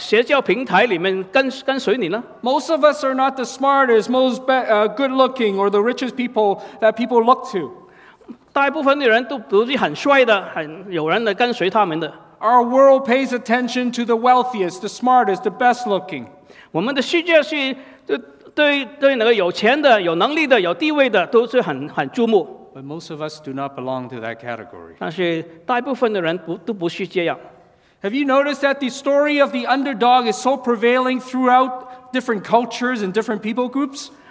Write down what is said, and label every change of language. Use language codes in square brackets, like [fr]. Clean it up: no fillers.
[zh] 就是很多人是在那个社交平台里面跟随你呢。 [en] Most of us are not the smartest, most good-looking, or the richest people that people look to. [zh] 大部分的人都是很帅的，很有人来跟随他们的。 [en] Our world pays attention to the wealthiest, the smartest, the best-looking. [zh] 我们的世界是 对那个有钱的、有能力的、有地位的，都是很注目。 [en] But most of us do not belong to that category. [zh] 但是大部分的人都不是这样。 [en] Have you noticed that the story of the underdog is so prevailing throughout different cultures and different people groups?